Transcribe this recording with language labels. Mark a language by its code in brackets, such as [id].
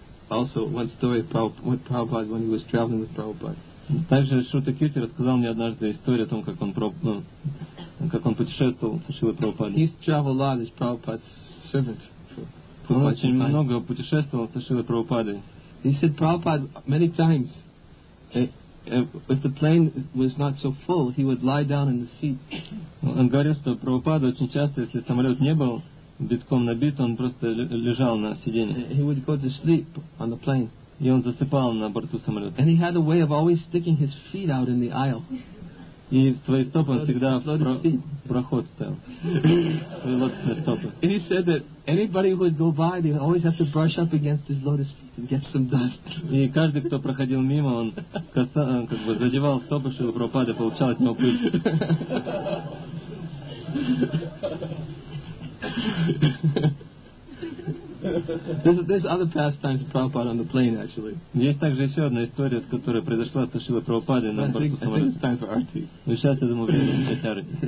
[en] Also, one story with Prabhupada when he was traveling with Prabhupada. [ru] Также Шрута Кирти рассказал мне однажды историю о том, как он путешествовал с Шрилой Прабхупадой. [en] He's traveled a lot as Prabhupada's servant. [ru] Он очень много путешествовал с Шрилой Прабхупадой. [en] He said Prabhupada many times, if the plane was not so full, he would lie down in the seat. [ru] Он говорил, что Прабхупада очень часто, если самолет не был битком набит, он просто лежал на сиденье. [en] He would go to sleep on the plane. [ru] И он засыпал на борту самолета. [en] And he had a way of always sticking his feet out in the aisle. [ru] И свои стопы он всегда проход ставил. Свои лотосные стопы. [en] And he said that anybody who would go by, they would always have to brush up against his lotus feet and get some dust. [ru] И каждый, кто проходил мимо, он как бы задевал стопы, чтобы Прабхупада получал от него пыль. [en] There's other pastimes of Prabhupada on the plane, actually. [ru] Есть также еще одна история, которая произошла с Шрилой Прабхупадой на борту самолета. [en] It's time for arti. [ru] Но сейчас я думаю, время для арти.